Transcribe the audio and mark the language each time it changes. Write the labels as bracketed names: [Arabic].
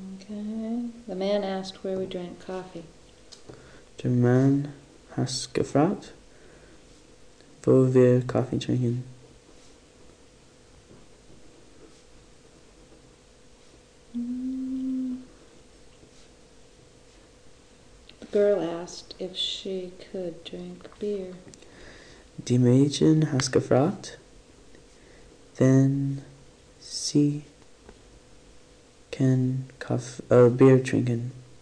[English] Okay. The man asked where we drank coffee. [German] Der Mann hat gefragt, wo wir Kaffee trinken. [English] The girl asked if she could drink beer. [German] Die Mädchen hat gefragt, wenn sie kann Bier trinken.